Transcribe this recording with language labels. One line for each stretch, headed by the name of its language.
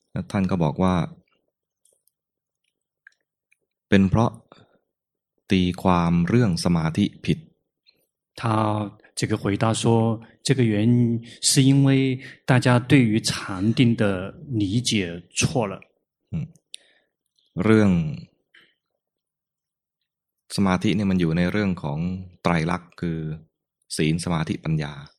Thai: ท่านก็บอกว่าเป็นเพราะตีความเรื่องสมาธิผิด
Chinese: 他这个回答说这个原因是因为大家对于禅定的理解错了
Thai: เรื่องสมาธิเนี่ยมันอยู่ในเรื่องของไตรลักษณ์คือศีลสมาธิปัญญา